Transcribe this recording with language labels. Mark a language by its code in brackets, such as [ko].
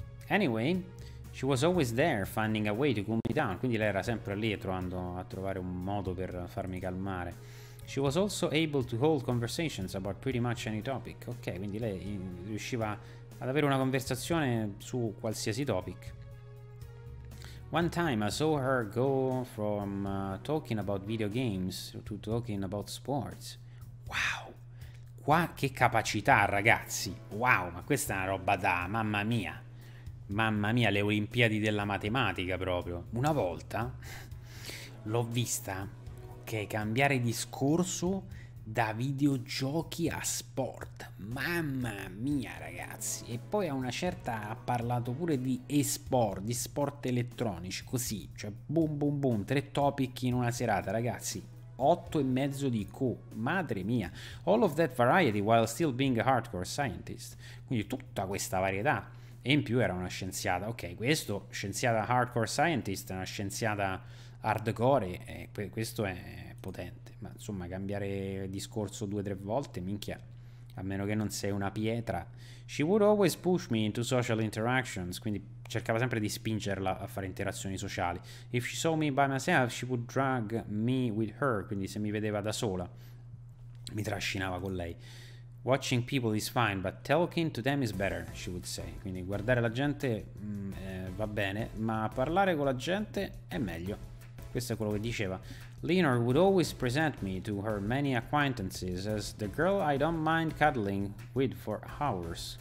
[en] Anyway, she was always there, finding a way to cool me down. [it] Quindi lei era sempre lì a trovare un modo per farmi calmare. [en] She was also able to hold conversations about pretty much any topic. [it] Ok, quindi lei riusciva ad avere una conversazione su qualsiasi topic. [en] One time I saw her go from talking about video games to talking about sports. [it] Wow, qua che capacità, ragazzi. Wow, ma questa è una roba da mamma mia. Mamma mia, le Olimpiadi della matematica proprio. Una volta l'ho vista, ok, cambiare discorso da videogiochi a sport. Mamma mia, ragazzi. E poi a una certa ha parlato pure di e-sport, di sport elettronici, così, cioè boom boom boom, 3 topic in una serata, ragazzi. 8 e mezzo di Q, madre mia. [en] All of that variety while still being a hardcore scientist. [it] Quindi tutta questa varietà, e in più era una scienziata. Ok, questo, scienziata [en] hardcore scientist, [it] una scienziata hardcore, questo è potente. Ma insomma, cambiare discorso 2 o 3 volte, minchia, a meno che non sei una pietra. [en] She would always push me into social interactions, [it] quindi cercava sempre di spingerla a fare interazioni sociali. [en] If she saw me by myself, she would drag me with her, [it] quindi se mi vedeva da sola mi trascinava con lei. [en] Watching people is fine, but talking to them is better, she would say. [it] Quindi guardare la gente va bene, ma parlare con la gente è meglio. Questo è quello che diceva. [en] Leonor would always present me to her many acquaintances as the girl I don't mind cuddling with for hours.